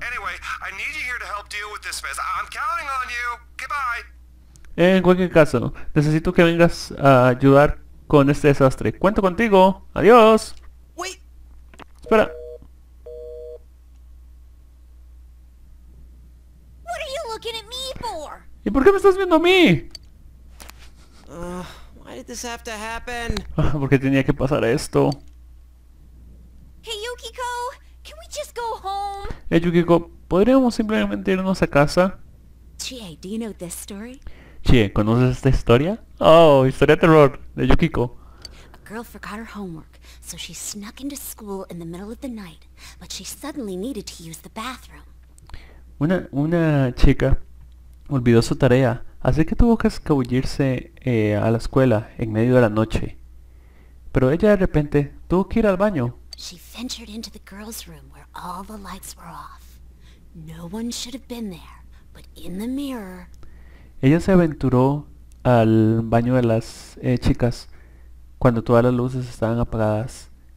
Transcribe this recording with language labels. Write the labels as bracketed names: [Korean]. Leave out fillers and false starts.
[English] Anyway, I need you here to help deal with this mess. I'm counting on you. Goodbye. [Spanish] En cualquier caso, necesito que vengas a ayudar con este desastre. Cuento contigo. Adiós. [English] Wait. [Spanish] Espera. [English] What are you looking at me for? [Spanish] ¿Y por qué me estás viendo a mí? [English] Why did this have to happen? [Spanish] ¿Por qué tenía que pasar esto? [English] Hey Yukiko, can we just go home? [Spanish] Hey Yukiko, ¿podríamos simplemente irnos a casa? [English] Chie, do you know this story? [Spanish] Chie, ¿conoces esta historia? Oh, historia de terror de Yukiko. [English] A girl forgot her homework, so she snuck into school in the middle of the night, but she suddenly needed to use the bathroom. [Spanish] Una chica olvidó su tarea, así que tuvo que escabullirse a la escuela en medio de la noche. Pero ella de repente tuvo que ir al baño. [English] She ventured into the girls' room where all the lights were off. No one should have been there, but in the mirror. [Spanish] Ella se aventuró al baño de las chicas cuando todas las luces estaban apagadas.